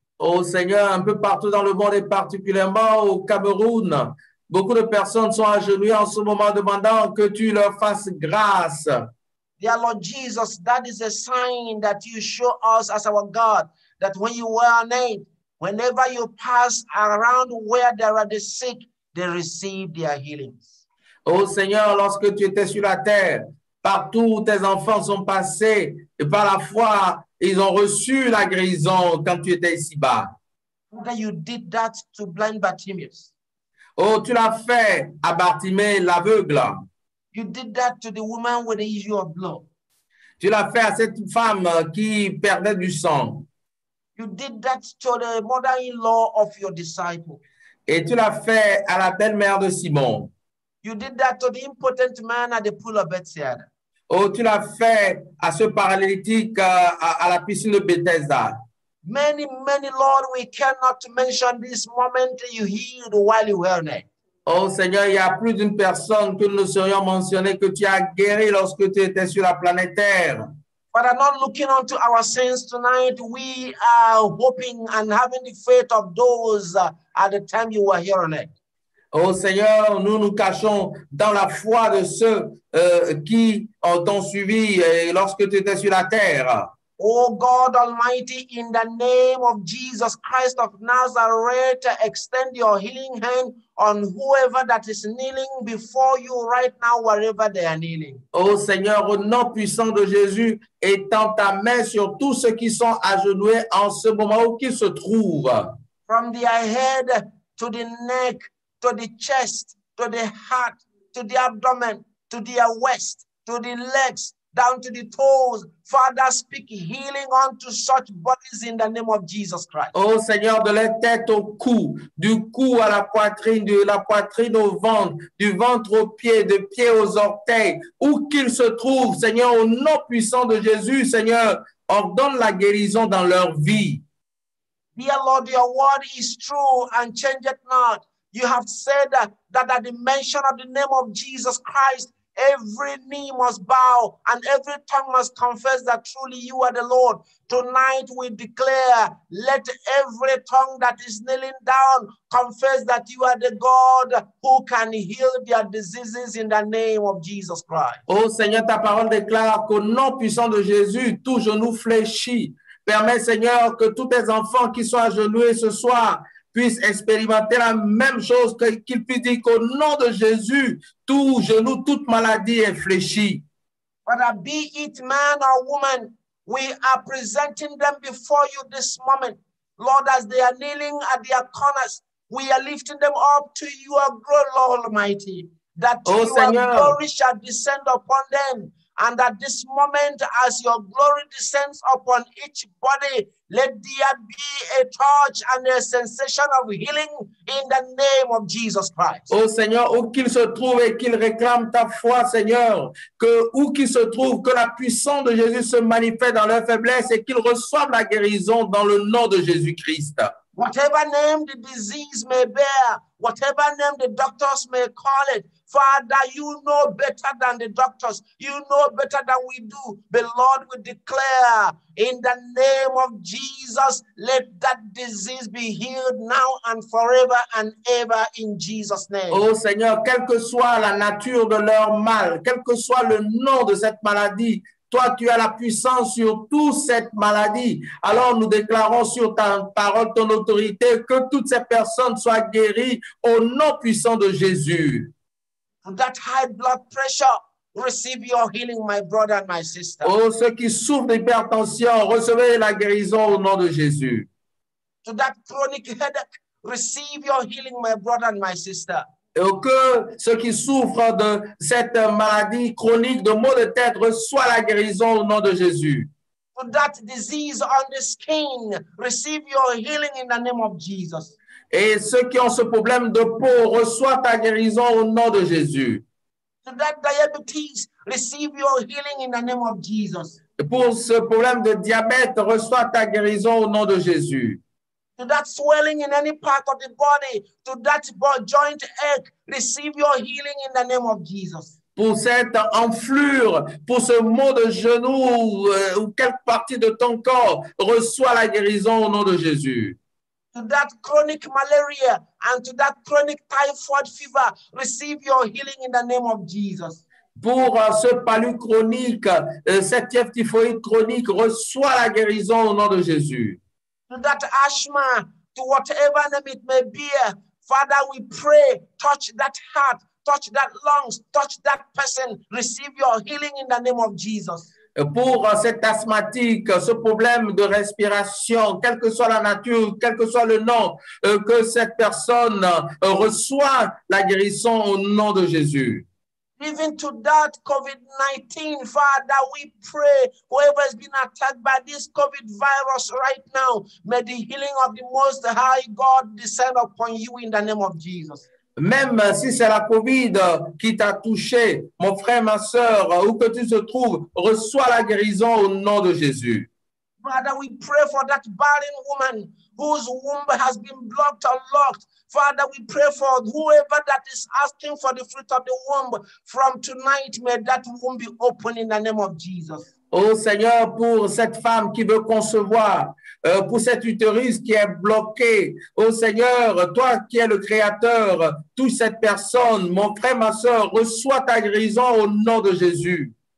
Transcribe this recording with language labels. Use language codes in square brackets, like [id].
[fr] Oh Seigneur, un peu partout dans le monde et particulièrement au Cameroun, beaucoup de personnes sont agenouillées en ce moment demandant que tu leur fasses grâce. [en] Dear Lord Jesus, that is a sign that you show us as our God, that when you were on aid, whenever you pass around where there are the sick, they receive their healings. [fr] Oh Seigneur, lorsque tu étais sur la terre, partout où tes enfants sont passés, et par la foi, ils ont reçu la guérison quand tu étais ici-bas. [en] Okay, you did that to blind Bartimaeus. [fr] Oh, tu l'as fait à Bartimée l'aveugle. [en] You did that to the woman with the issue of blood. [fr] Tu l'as fait à cette femme qui perdait du sang. [en] You did that to the mother-in-law of your disciple. [fr] Et tu l'as fait à la belle-mère de Simon. [en] You did that to the impotent man at the pool of Bethesda. [fr] Oh, tu l'as fait à ce paralytique à la piscine de Bethesda. [en] Many, many, Lord, we cannot mention this moment you healed while you were there. [fr] Oh, Seigneur, il y a plus d'une personne que nous serions mentionnées que tu as guéri lorsque tu étais sur la planète Terre. [en] But I'm not looking onto our sins tonight. We are hoping and having the faith of those at the time you were here on earth. [fr] Oh Seigneur, nous nous cachons dans la foi de ceux qui t'ont suivi lorsque tu étais sur la terre. [en] Oh God Almighty, in the name of Jesus Christ of Nazareth, extend your healing hand on whoever that is kneeling before you right now, wherever they are kneeling. [fr] Oh Seigneur, au nom puissant de Jésus, étends ta main sur tous ceux qui sont agenouillés en ce moment où qu'ils se trouvent. [en] From the head to the neck, to the chest, to the heart, to the abdomen, to the waist, to the legs, down to the toes. Father, speak healing unto such bodies in the name of Jesus Christ. [fr] Oh Seigneur, de la tête au cou, du cou à la poitrine, de la poitrine au ventre, du ventre aux pieds, de pieds aux orteils, où qu'ils se trouvent, Seigneur, au nom puissant de Jésus, Seigneur, ordonne la guérison dans leur vie. [en] Dear Lord, your word is true and change it not. You have said that at the mention of the name of Jesus Christ, every knee must bow and every tongue must confess that truly you are the Lord. Tonight we declare, let every tongue that is kneeling down confess that you are the God who can heal their diseases in the name of Jesus Christ. [fr] Oh Seigneur, ta parole déclare qu'au nom puissant de Jésus, tout genou fléchit. Permets, Seigneur, que tous tes enfants qui sont agenouillés ce soir puisse expérimenter la même chose, qu'il puisse dire qu'au nom de Jésus, tout genou, toute maladie est fléchie. [en] Whether be it man or woman, we are presenting them before you this moment. Lord, as they are kneeling at their corners, we are lifting them up to your glory, Lord Almighty, that your glory shall descend upon them. And at this moment, as your glory descends upon each body, let there be a touch and a sensation of healing in the name of Jesus Christ. [fr] Oh Seigneur, où qu'il se trouve et qu'il réclame ta foi, Seigneur, que où qu'il se trouve, que la puissance de Jésus se manifeste dans leur faiblesse et qu'il reçoive la guérison dans le nom de Jésus Christ. [en] Whatever name the disease may bear, whatever name the doctors may call it, Father, you know better than the doctors. You know better than we do. But Lord, we declare in the name of Jesus, let that disease be healed now and ever in Jesus' name. [fr] Oh Seigneur, quelle que soit la nature de leur mal, quel que soit le nom de cette maladie, toi, tu as la puissance sur toute cette maladie. Alors nous déclarons sur ta parole, ton autorité, que toutes ces personnes soient guéries au nom puissant de Jésus. [en] that high blood pressure, receive your healing, my brother and my sister. [fr] Oh, ceux qui souffrent d'hypertension, recevez la guérison au nom de Jésus. [en] To that chronic headache, receive your healing, my brother and my sister. [fr] Et que ceux qui souffrent de cette maladie chronique de maux de tête reçoivent la guérison au nom de Jésus. [en] For that disease on the skin, receive your healing in the name of Jesus. [fr] Et ceux qui ont ce problème de peau reçoivent ta guérison au nom de Jésus. [en] For that diabetes, receive your healing in the name of Jesus. [fr] Et pour ce problème de diabète, reçois ta guérison au nom de Jésus. [en] To that swelling in any part of the body, to that joint ache, receive your healing in the name of Jesus. [fr] Pour cette enflure, pour ce mot de genou ou quelque partie de ton corps, reçois la guérison au nom de Jésus. [en] To that chronic malaria and to that chronic typhoid fever, receive your healing in the name of Jesus. [fr] Pour ce palu chronique, cette fièvre typhoïde chronique, reçois la guérison au nom de Jésus. [en] To that asthma, to whatever name it may be, Father, we pray, touch that heart, touch that lungs, touch that person, receive your healing in the name of Jesus. [fr] Pour cet asthmatique, ce problème de respiration, quelle que soit la nature, quel que soit le nom, que cette personne reçoit la guérison au nom de Jésus. [en] Even to that COVID-19, Father, we pray, whoever has been attacked by this COVID virus right now, may the healing of the Most High God descend upon you in the name of Jesus. [fr] Même si c'est la COVID qui t'a touché, mon frère, ma soeur, où que tu te trouves, reçois la guérison au nom de Jésus. [en] Father, we pray for that barren woman whose womb has been blocked or locked. Father, we pray for whoever that is asking for the fruit of the womb. From tonight, may that womb be open in the name of Jesus. [fr] Oh Seigneur, pour cette femme qui veut concevoir, pour cet utérus qui est bloqué, oh Seigneur, toi qui es le Créateur, touche cette personne, mon frère, ma soeur, reçois ta guérison au nom de Jésus.